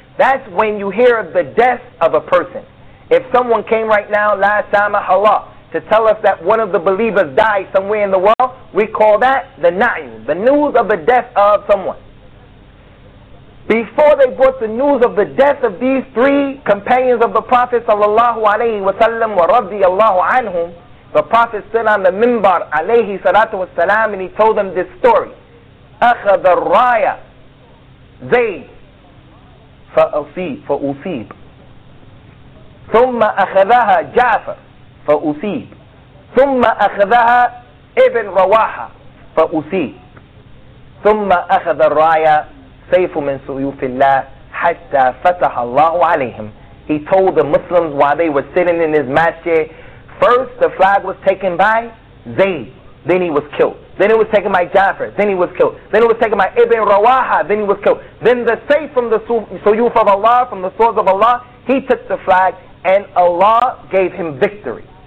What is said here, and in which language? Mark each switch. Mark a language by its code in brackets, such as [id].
[en] That's when you hear of the death of a person. If someone came right now, la samaha Allah, to tell us that one of the believers died somewhere in the world, we call that the na'yu, the news of the death of someone. before they brought the news of the death of these three companions of the Prophet sallallahu alayhi wa sallam wa radiyallahu anhum, the Prophet stood on the minbar alayhi salatu wa salam and he told them this story. [ar] أَخَذَ الرَّايَ زَيْد فَأُصِيب ثُمَّ أَخَذَهَا جَعْفَر فَأُصِيب ثُمَّ أَخَذَهَا ابن رواحة فأصيب ثم أخذ الراية سيف من سيوف الله حتى فتح الله عليهم. [en] He told the Muslims while they were sitting in his masjid, first the flag was taken by Zayd, then he was killed. Then it was taken by Jafar, then he was killed. Then it was taken by Ibn Rawaha, then he was killed. Then the sayf from the suyuf of Allah, from the swords of Allah, he took the flag and Allah gave him victory.